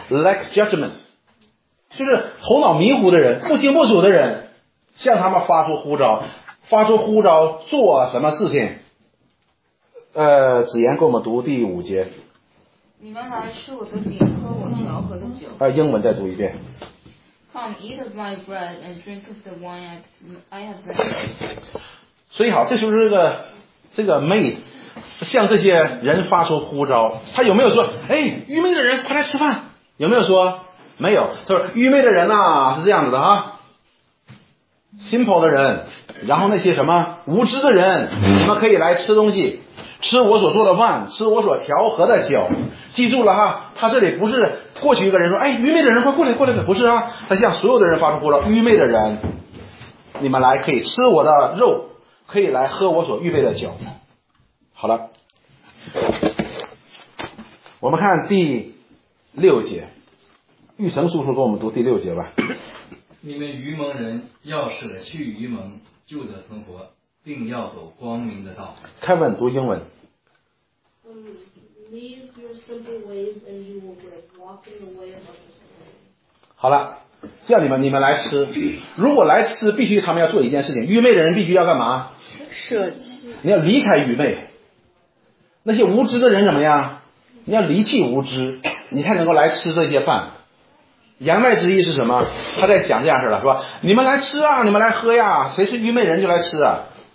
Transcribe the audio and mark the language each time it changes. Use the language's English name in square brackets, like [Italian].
[English] Lack judgment， [Chinese] 就是头脑迷糊的人，不清不楚的人，向他们发出呼召，发出呼召做什么事情？子言给我们读第五节。你们来吃我的饼，喝我调和的酒。英文再读一遍。 [English] Come eat of my bread and drink of the wine I have. [Chinese] 所以好，这就是这个 maid 向这些人发出呼召，他有没有说，哎，愚昧的人快来吃饭？有没有说？没有，他说愚昧的人呐、是这样子的哈。simple 的人，然后那些什么无知的人，你们可以来吃东西，吃我所做的饭，吃我所调和的酒。记住了哈，他这里不是过去一个人说，哎，愚昧的人快过来过来，不是啊，他向所有的人发出呼召，愚昧的人，你们来可以吃我的肉，可以来喝我所预备的酒。好了，我们看第六节，玉成叔叔给我们读第六节吧。你们愚蒙人要舍去愚蒙，就得存活，并要走光明的道。 Kevin 读英文。 [English] Leave your simple ways and you will walk in the way of the simple. [Chinese] 好了，叫你们来吃。如果来吃，必须他们要做一件事情。愚昧的人必须要干嘛？舍去。你要离开愚昧。那些无知的人怎么样？你要离弃无知，你才能够来吃这些饭。言外之意是什么？他在想这样事了，是吧？你们来吃啊，你们来喝呀，谁是愚昧人就来吃啊。